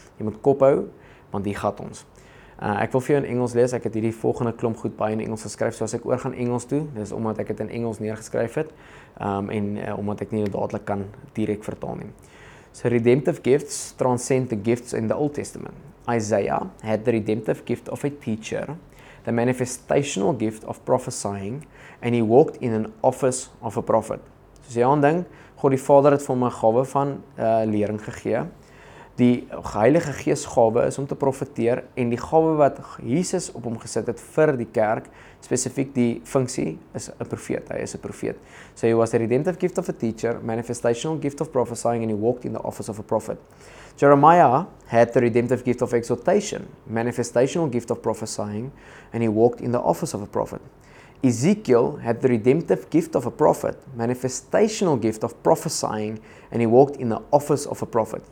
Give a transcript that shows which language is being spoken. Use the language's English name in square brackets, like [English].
[Afrikaans] Jy moet kop hou, want die gat ons. Ek wil vir jou in Engels lees, ek het hierdie volgende klomp goed baie in Engels geskryf, so as ek oor gaan Engels toe, dis omdat ek het in Engels neergeskryf het, omdat ek nie dadelik kan direct vertaal nie. [English] So redemptive gifts transcend the gifts in the Old Testament. Isaiah had the redemptive gift of a teacher, the manifestational gift of prophesying, and he walked in an office of a prophet. [Afrikaans] So sê aan ding, God die Vader het vir my gawe van lering gegee, die Heilige Gees gawe is om te profeteer en die gawe wat Jesus op hom gesit het vir die kerk, spesifiek die funksie, is 'n profeet. Hy is 'n profeet. [English] So he was the redemptive gift of a teacher, manifestational gift of prophesying, and he walked in the office of a prophet. Jeremiah had the redemptive gift of exhortation, manifestational gift of prophesying, and he walked in the office of a prophet. Ezekiel had the redemptive gift of a prophet, manifestational gift of prophesying, and he walked in the office of a prophet.